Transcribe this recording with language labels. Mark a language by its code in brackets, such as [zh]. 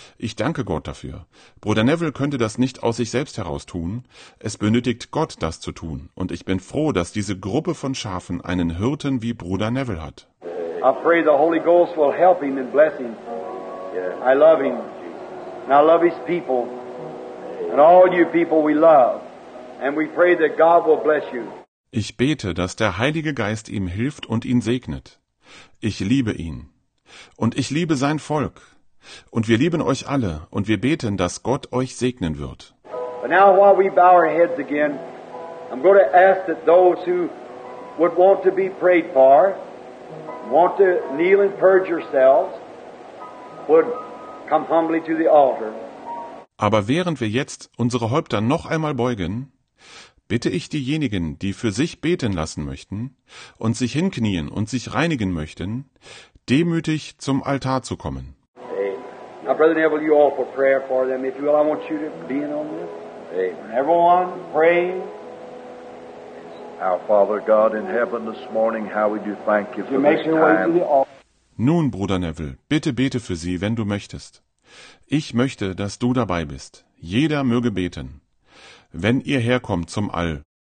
[de] Ich danke Gott dafür. Bruder Neville könnte das nicht aus sich selbst heraus tun. Es benötigt Gott, das zu tun. Und ich bin froh, dass diese Gruppe von Schafen einen Hirten wie Bruder Neville hat. [en] I pray the Holy Ghost will help him and bless him. I love him. And I love his people. And all you people we love. And we pray that God will bless you. [de] Ich bete, dass der Heilige Geist ihm hilft und ihn segnet. Ich liebe ihn. Und ich liebe sein Volk. Und wir lieben euch alle und wir beten, dass Gott euch segnen wird. [en] But now, while we bow our heads again, I'm going to ask that those who would want to be prayed for, want to kneel and purge yourselves, would come humbly to the altar. [de] Aber während wir jetzt unsere Häupter noch einmal beugen, bitte ich diejenigen, die für sich beten lassen möchten und sich hinknien und sich reinigen möchten, demütig zum Altar zu kommen. [en] Amen. Now, Brother Neville, you offer prayer for them. If you will, I want you to be in on this. Amen. Everyone, pray. Our Father God in heaven this morning, how would you thank you for this time? [de] Nun, Bruder Neville, bitte bete für sie, wenn du möchtest. Ich möchte, dass du dabei bist. Jeder möge beten. Wenn ihr herkommt zum All,